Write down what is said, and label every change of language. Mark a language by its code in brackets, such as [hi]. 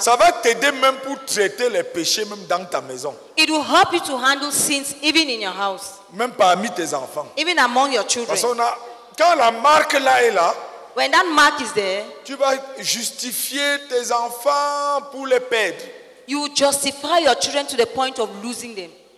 [fr] ça va t'aider même pour traiter les péchés même dans ta maison. [en] It will help you to handle sins even in your house. [fr] Même parmi tes enfants. [en] Even among your children. [fr] Parce qu'on a, quand la marque là est là, [en] when that mark is there, [fr] tu vas justifier tes enfants pour les perdre. [en] You justify your children to the point of losing them.